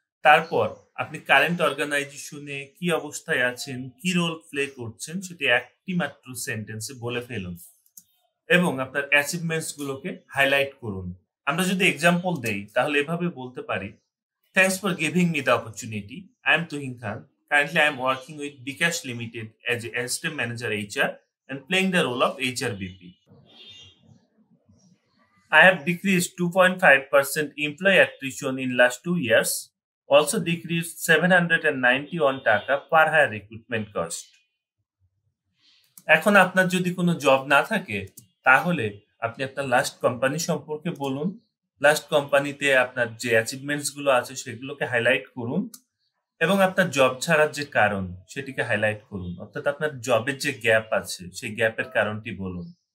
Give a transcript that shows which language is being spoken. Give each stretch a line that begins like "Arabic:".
Bangla: তারপর আপনি কারেন্ট অর্গানাইজেশনে কি অবস্থায় আছেন, কি রোল প্লে করছেন সেটি একটি মাত্র সেন্টেন্সে বলে ফেলুন এবং আপনার অ্যাচিভমেন্টসগুলোকে হাইলাইট করুন। আমরা যদি এক্সাম্পল দেই তাহলে এভাবে বলতে পারি,
English: Thanks for giving me the opportunity, I am Tuhin Khan, currently I am working with bKash limited as a assistant manager HR and playing the role of HR BP. I have decreased 2.5% employee attrition in last 2 years, also decreased 791 taka per hire recruitment cost.
Bangla: এখন আপনার যদি কোনো job না থাকে তাহলে আপনি আপনার last company সম্পর্কে বলুন, লাস্ট কোম্পানিতে আপনার যে অ্যাচিভমেন্টস গুলো আছে সেগুলোকে হাইলাইট করুন এবং আপনার জব ছাড়ার যে কারণ সেটিকে হাইলাইট করুন, অর্থাৎ আপনার জবের যে গ্যাপ আছে সেই গ্যাপের কারণটি বলুন।